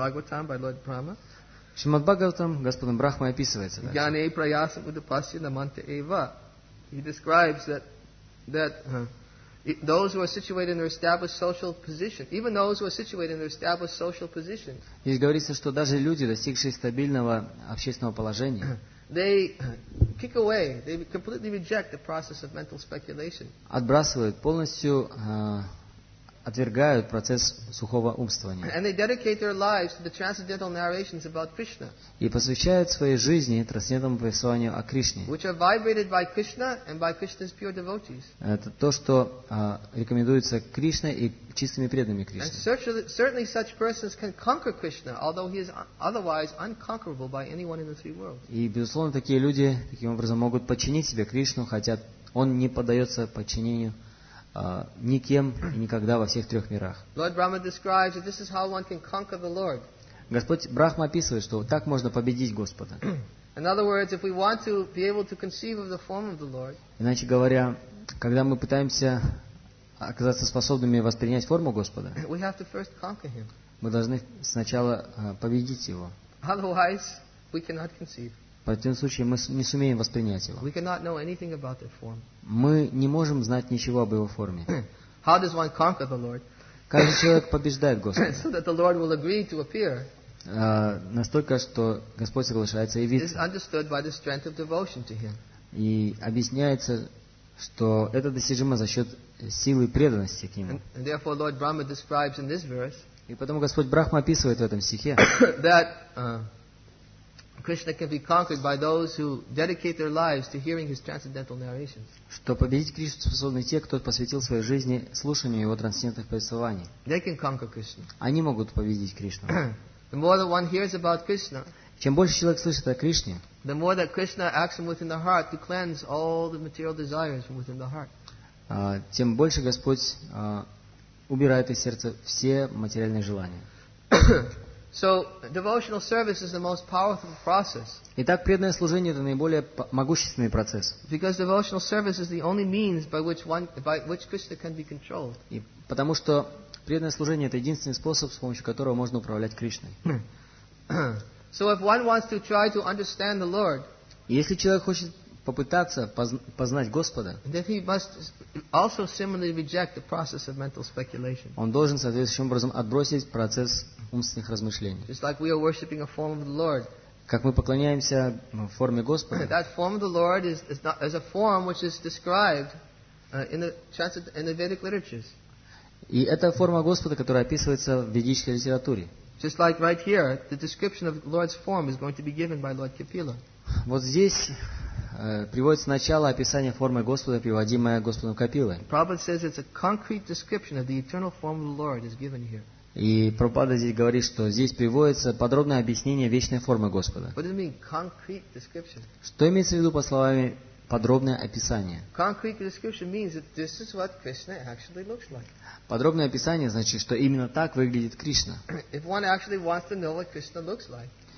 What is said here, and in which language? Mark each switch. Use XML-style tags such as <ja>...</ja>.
<ru>Шримад-Бхагаватам Господом Брахма описывается.</ru> <sa>Гьяне праясам удапасья наманте эйва.</sa> <en>He describes that those who are situated in their established social position, even those who are situated in their established social position,</en> <ru>здесь говорится, что даже люди, достигшие стабильного общественного положения,</ru> <en>they kick away, they completely reject the process of mental speculation.</en> <ru>Отбрасывают полностью, отвергают процесс сухого умствования.</ru> <en>And they dedicate their lives to the transcendental narrations about Krishna.</en> <ru>И посвящают свои жизни трансцендентному повествованию о Кришне.</ru> <en>Which are vibrated by Krishna and by Krishna's pure devotees.</en> <ru>Это то, что рекомендуется Кришной и чистыми преданными Кришне.</ru> <en>And certainly such persons can conquer Krishna, although he is otherwise unconquerable by anyone in the three worlds.</en> <ru>И безусловно, такие люди таким образом могут подчинить себе Кришну, хотя он не поддается подчинению никем и никогда во всех трех мирах.</ru> <en>Lord Brahma describes that this is how one can conquer the Lord.</en> <ru>Господь Брахма описывает, что так можно победить Господа.</ru> <en>In other words, if we want to be able to conceive of the form of the Lord.</en> <ru>Иначе говоря, когда мы пытаемся оказаться способными воспринять форму Господа,</ru> <en>we have to first conquer him.</en> <ru>Мы должны сначала победить его.</ru> <en>Otherwise, we cannot conceive.</en> <ru>В противном случае мы не сумеем воспринять его.</ru> <en>We cannot know anything about that form.</en> <ru>Мы не можем знать ничего об его форме.</ru> <en>How does one conquer the Lord?</en> <ru>Как же человек побеждает Господа?</ru> <en>So that the Lord will agree to appear.</en> <ru>Настолько, что Господь соглашается явиться.</ru> <en>It is understood by the strength of devotion to him.</en> <ru>И объясняется, что это достижимо за счет силы преданности к нему.</ru> <en>And therefore Lord Brahma describes in this verse,</en> <ru>и потому Господь Брахма описывает в этом стихе,</ru> <en>that Krishna can be conquered by those who dedicate their lives to hearing his transcendental narrations.</en> <ru>Что победить Кришну способны те, кто посвятил свою жизнь слушанию его трансцендентных повествований.</ru> <en>They can conquer Krishna.</en> <ru>Они могут победить Кришну.</ru> <en>The more that one hears about Krishna,</en> <ru>чем больше человек слышит о Кришне,</ru> <en>the more that Krishna acts from within the heart to cleanse all the material desires from within the heart.</en> <ru>Тем больше Господь убирает из сердца все материальные желания.</ru> <en>So devotional service is the most powerful process.</en> <ru>Итак, преданное служение — это наиболее могущественный процесс.</ru> <en>Because devotional service is the only means by which Krishna can be controlled.</en> <ru>И потому что преданное служение — это единственный способ, с помощью которого можно управлять Кришной.</ru> <en>So if one wants to try to understand the Lord,</en> <ru>если человек хочет попытаться познать Господа,</ru> <en>then he must also similarly reject the process of mental speculation.</en> <ru>Он должен соответствующим образом отбросить процесс умственных размышлений.</ru> <en>Just like we are worshiping a form of the Lord.</en> <ru>Как мы поклоняемся форме Господа.</ru> <en>That form of the Lord is a form which is described in the Vedic literatures.</en> <ru>И это форма Господа, которая описывается в ведической литературе.</ru> <en>Just like right here, the description of the Lord's form is going to be given by Lord Kapila.</en> <ru>Вот здесь приводится начало описания формы Господа, приводимое Господом Капилой.</ru> <en>Prabhupada says it's a concrete description of the eternal form of the Lord is given here.</en> <ru>И Прабхупада здесь говорит, что здесь приводится подробное объяснение вечной формы Господа.</ru> <en>What does it mean, concrete description?</en> <ru>Что имеется в виду по словам подробное описание?</ru> <en>Concrete description means that this is what Krishna actually looks like.</en> <ru>Подробное описание значит, что именно так выглядит Кришна.</ru> <en>If one actually wants to know what Krishna looks like.</en>